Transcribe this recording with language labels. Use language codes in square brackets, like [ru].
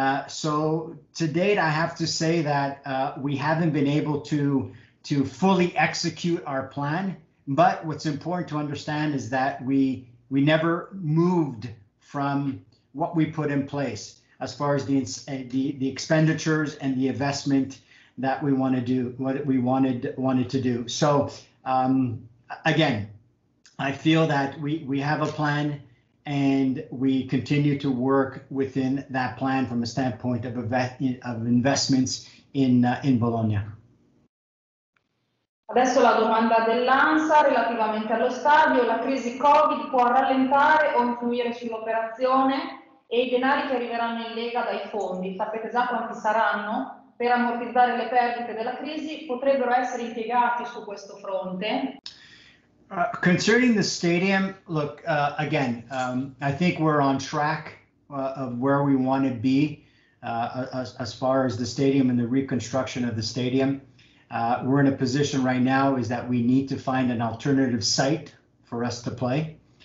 [en] So to date, I have to say that we haven't been able to fully execute our plan, but what's important to understand is that we never moved from what we put in place as far as the expenditures and the investment that we want to do, what we wanted to do. So again, I feel that we have a plan, and we continue to work within that plan from a standpoint of investments in Bologna. [it] Adesso la domanda dell'ANSA relativamente allo stadio, la crisi Covid può rallentare o influire sull'operazione e i denari che arriveranno in Lega dai fondi, sapete già quanti saranno? Per ammortizzare le perdite della crisi potrebbero essere impiegati su questo fronte? [en] Concerning the stadium, look, again, I think we're on track of where we want to be as far as the stadium and the reconstruction of the stadium. We're in a position right now is that we need to find an alternative site for us to play.